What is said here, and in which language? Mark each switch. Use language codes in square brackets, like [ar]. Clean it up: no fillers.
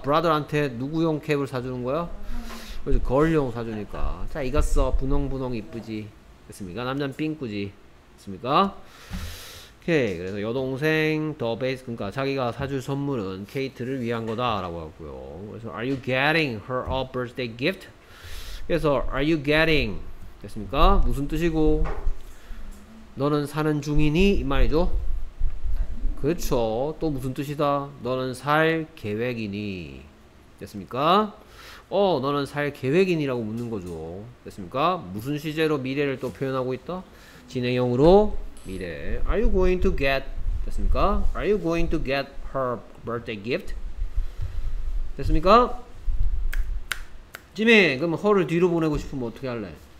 [ko] brother한테 누구용 캡을 사주는 거야? 그래서 걸용 사주니까 자 이거 써. 분홍분홍 이쁘지. 됐습니까? 남자는 삥꾸지. 됐습니까? 오케이. 그래서 여동생 더 베이스 그러니까 자기가 사줄 선물은 케이트를 위한 거다 라고 하고요. 그래서 [en] are you getting her a birthday gift? [ko] 그래서 [en] are you getting [ko] 됐습니까? 무슨 뜻이고 너는 사는 중이니? 이 말이죠. 그쵸. 또 무슨 뜻이다? 너는 살 계획이니? 됐습니까? 어, 너는 살 계획이니? 라고 묻는 거죠. 됐습니까? 무슨 시제로 미래를 또 표현하고 있다? 진행형으로 미래. [en] Are you going to get? [ko] 됐습니까? [en] Are you going to get her birthday gift? [ko] 됐습니까? 지민, 그럼 허를 뒤로 보내고 싶으면 어떻게 할래?